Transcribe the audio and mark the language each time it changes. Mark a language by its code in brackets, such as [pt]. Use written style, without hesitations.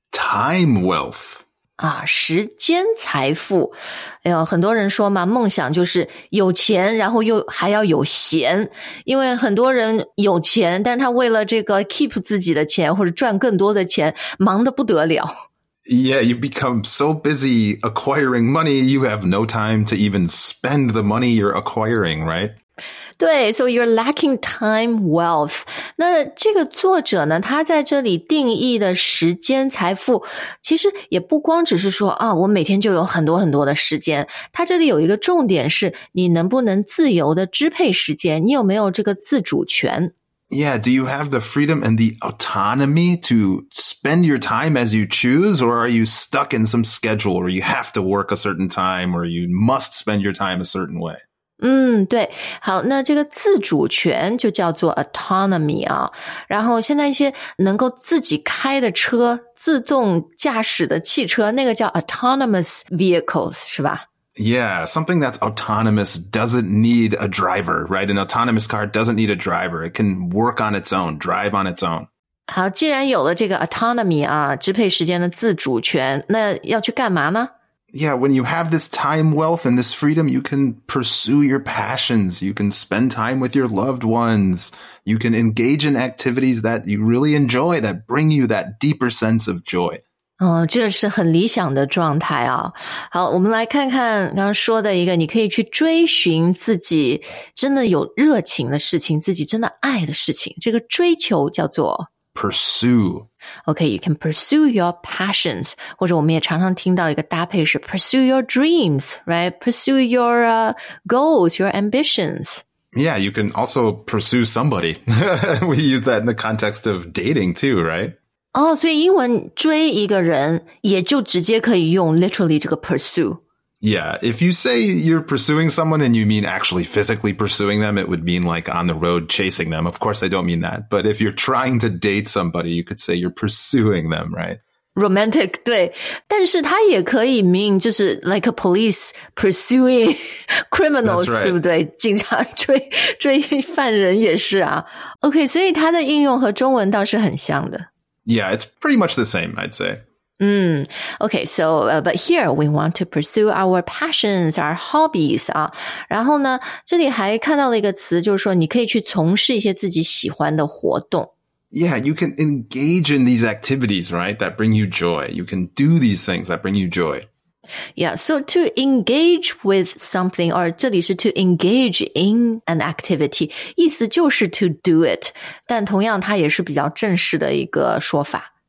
[en] time wealth。 [zh] 啊，时间财富，哎呦，很多人说嘛，梦想就是有钱，然后又还要有闲，因为很多人有钱，但他为了这个 keep 自己的钱或者赚更多的钱，忙得不得了。 [en] Yeah, you become so busy acquiring money, you have no time to even spend the money you're acquiring, right? 对 ,so you're lacking time wealth. [zh] 那这个作者呢，他在这里定义的时间财富其实也不光只是说啊，我每天就有很多很多的时间。他这里有一个重点是你能不能自由的支配时间，你有没有这个自主权。 [en] Yeah, do you have the freedom and the autonomy to spend your time as you choose, or are you stuck in some schedule where you have to work a certain time or you must spend your time a certain way? [zh] 嗯，对，好，那这个自主权就叫做 autonomy 啊。然后现在一些能够自己开的车，自动驾驶的汽车，那个叫 autonomous vehicles, 是吧？ [en] Yeah, something that's autonomous doesn't need a driver, right? An autonomous car doesn't need a driver. It can work on its own, drive on its own. [zh] 好，既然有了这个 autonomy 啊，支配时间的自主权，那要去干嘛呢？ [en] Yeah, when you have this time wealth and this freedom, you can pursue your passions, you can spend time with your loved ones, you can engage in activities that you really enjoy, that bring you that deeper sense of joy. [zh] 哦，这是很理想的状态啊。好，我们来看看刚刚说的一个，你可以去追寻自己真的有热情的事情，自己真的爱的事情，这个追求叫做 [en] Pursue. Okay, you can pursue your passions. [zh] 或者我们也常常听到一个搭配是 [en] pursue your dreams, right? Pursue your goals, your ambitions. Yeah, you can also pursue somebody. We use that in the context of dating too, right? [zh] Oh, 所以英文追一个人也就直接可以用 literally 这个 pursue. [en] Yeah, if you say you're pursuing someone and you mean actually physically pursuing them, it would mean like on the road chasing them. Of course, I don't mean that. But if you're trying to date somebody, you could say you're pursuing them, right? Romantic, 对。 [zh] 但是它也可以 [en] mean 就是 like a police pursuing criminals,、 right. [zh] 对不对？警察追犯人也是啊。 OK, 所以它的应用和中文倒是很像的。 [en] Yeah, it's pretty much the same, I'd say. Mm, okay, so, but here we want to pursue our passions, our hobbies, 啊。 [zh] 然后呢，这里还看到了一个词，就是说你可以去从事一些自己喜欢的活动。 [en] Yeah, you can engage in these activities, right, that bring you joy. You can do these things that bring you joy. Yeah, so to engage with something, or 这里是 to engage in an activity, 意思就是 to do it, [zh] 但同样它也是比较正式的一个说法。